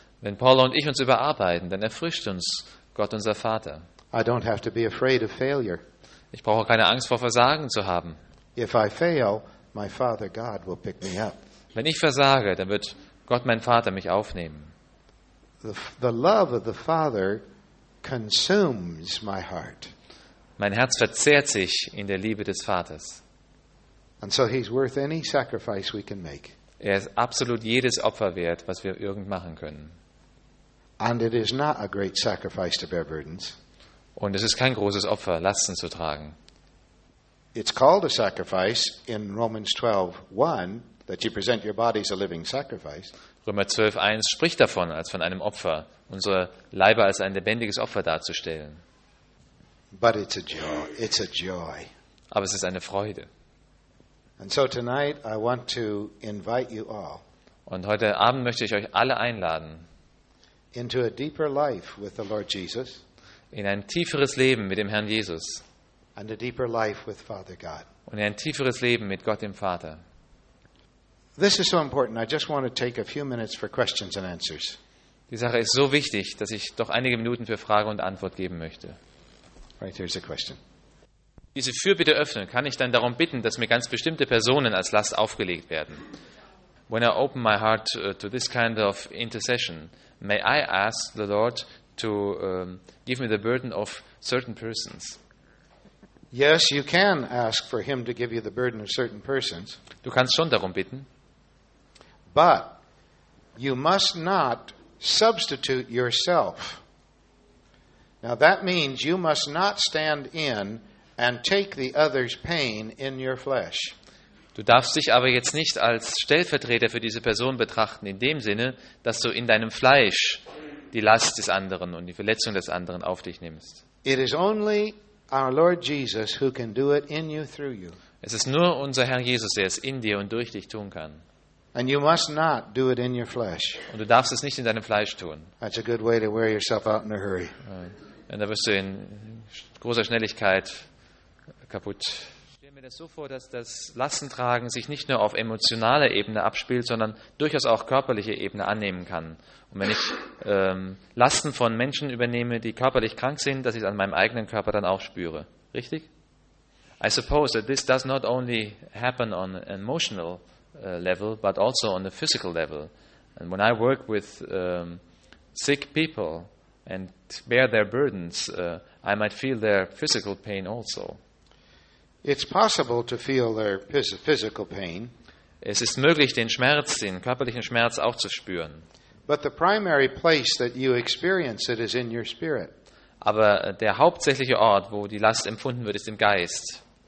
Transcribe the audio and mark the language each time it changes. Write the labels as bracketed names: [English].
[German] Wenn Paula und ich uns überarbeiten, dann erfrischt uns Gott unser Vater. [English] I don't have to be afraid of failure. [German] Ich brauche keine Angst vor Versagen zu haben. [English] If I fail, my Father God will pick me up. [German] Wenn ich versage, dann wird Gott mein Vater mich aufnehmen. [English] The love of the Father consumes my heart. [German] Mein Herz verzehrt sich in der Liebe des Vaters. [English] And so he's worth any sacrifice we can make. [German] Er ist absolut jedes Opfer wert, was wir irgend machen können. [English] And it is not a great sacrifice to bear burdens. [German] Und es ist kein großes Opfer, Lasten zu tragen. [English] It's called a sacrifice in Romans 12:1 that you present your bodies a living sacrifice. [German] Römer 12,1 spricht davon, als von einem Opfer, unsere Leiber als ein lebendiges Opfer darzustellen. [English] But it's a joy. It's a joy. [German] Aber es ist eine Freude. [English] And so tonight I want to invite you all. [German] Und heute Abend möchte ich euch alle einladen, [English] into a deeper life with the Lord Jesus. [German] in ein tieferes Leben mit dem Herrn Jesus [English] and a deeper life with Father God. [German] Und in ein tieferes Leben mit Gott dem Vater. [English] This is so important. I just want to take a few minutes for questions and answers. [German] Die Sache ist so wichtig, dass ich doch einige Minuten für Frage und Antwort geben möchte. [English] Right, here's a question. [German] Diese Fürbitte öffnen, kann ich dann darum bitten, dass mir ganz bestimmte Personen als Last aufgelegt werden? [English] When I open my heart to this kind of intercession, may I ask the Lord to give me the burden of certain persons? Yes, you can ask for him to give you the burden of certain persons. [German] Du kannst schon darum bitten. [English] But you must not substitute yourself. Now that means you must not stand in and take the other's pain in your flesh. [German] Du darfst dich aber jetzt nicht als Stellvertreter für diese Person betrachten, in dem Sinne, dass du in deinem Fleisch die Last des anderen und die Verletzung des anderen auf dich nimmst. [English] It is only our Lord Jesus who can do it in you through you. [German] Es ist nur unser Herr Jesus, der es in dir und durch dich tun kann. [English] And you must not do it in your flesh. [German] Und du darfst es nicht in deinem Fleisch tun. [English] That's a good way to wear yourself out in a hurry. [German] Und da wirst du in großer Schnelligkeit kaputt. Stell mir das so vor, dass das Lastentragen sich nicht nur auf emotionaler Ebene abspielt, sondern durchaus auch körperliche Ebene annehmen kann. Und wenn ich Lasten von Menschen übernehme, die körperlich krank sind, dass ich es an meinem eigenen Körper dann auch spüre. Richtig? [English] I suppose that this does not only happen on an emotional level, but also on a physical level. And when I work with sick people and bear their burdens, I might feel their physical pain also. It's possible to feel their physical pain. [German] Es ist möglich, den Schmerz, den körperlichen Schmerz auch zu spüren. [English] But the primary place that you experience it is in your spirit. [German] Aber der hauptsächliche Ort, wo die Last empfunden wird, ist im Geist.